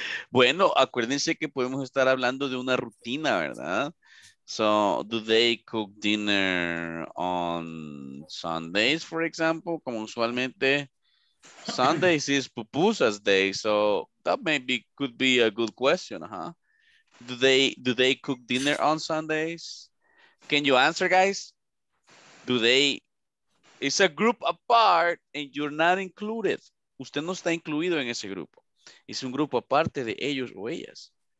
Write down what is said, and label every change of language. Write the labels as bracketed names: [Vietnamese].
[Spanish] Bueno, acuérdense que podemos estar hablando de una rutina, ¿verdad? [English] So, do they cook dinner on Sundays, for example? [Spanish] Como usualmente, [English] Sundays is pupusas day, so that maybe could be a good question, huh? Do they cook dinner on Sundays? Can you answer, guys? Do they... It's a group apart and you're not included. [Spanish] Usted no está incluido en ese grupo. Es un grupo aparte de ellos o ellas.